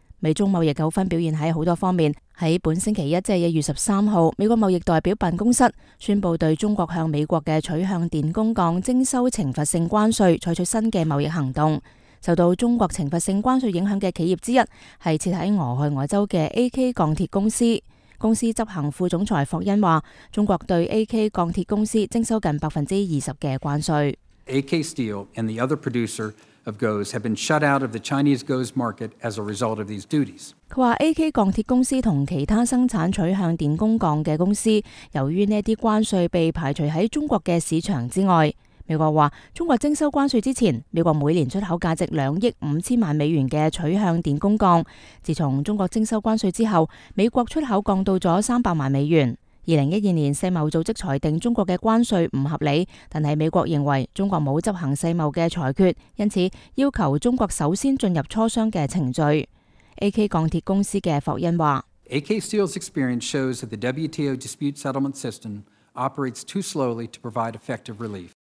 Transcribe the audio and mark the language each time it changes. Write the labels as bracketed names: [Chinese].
[Chinese] 美中贸易纠纷表现在很多方面。在本星期一，即是1月13号，美国贸易代表办公室宣布对中国向美国的取向电工钢征收惩罚性关税采取新的贸易行动。受到中国惩罚性关税影响的企业之一是设在俄亥俄州的 AK 钢铁公司。公司執行副总裁霍恩说，中国对 AK 钢铁公司征收近 20% 的关税。 [English] AK Steel and the other producer of GOES have been shut out of the Chinese GOES market as a result of these duties. [Chinese] 他说 AK 钢铁公司和其他生产取向电工钢的公司，由于这些关税被排除在中国的市场之外。美国说，中国征收关税之前，美国每年出口价值2亿5千万美元的取向电工钢，自从中国征收关税之后，美国出口降到了300万美元。 2012年世贸组织裁定中国的关税不合理，但是美国认为中国没有执行世贸的裁决，因此要求中国首先进入磋商的程序。 AK 钢铁公司的霍恩说， [English] AK Steel's experience shows that the WTO dispute settlement system operates too slowly to provide effective relief.